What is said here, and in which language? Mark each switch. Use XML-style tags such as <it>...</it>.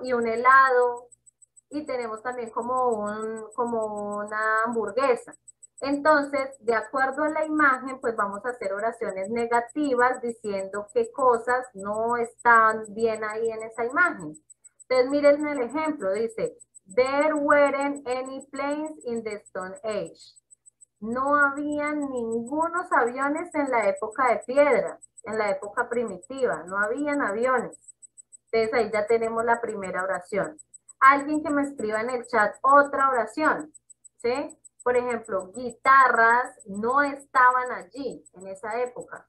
<es>Y un helado, y tenemos también como una hamburguesa. Entonces, de acuerdo a la imagen, pues vamos a hacer oraciones negativas diciendo qué cosas no están bien ahí en esa imagen. Entonces, miren el ejemplo, dice...</es> <en>There weren't any planes in the Stone Age.</en> <es>No habían ningunos aviones en la época de piedra, en la época primitiva. No habían aviones. Entonces ahí ya tenemos la primera oración. Alguien que me escriba en el chat otra oración, ¿sí? Por ejemplo, guitarras no estaban allí en esa época.</es>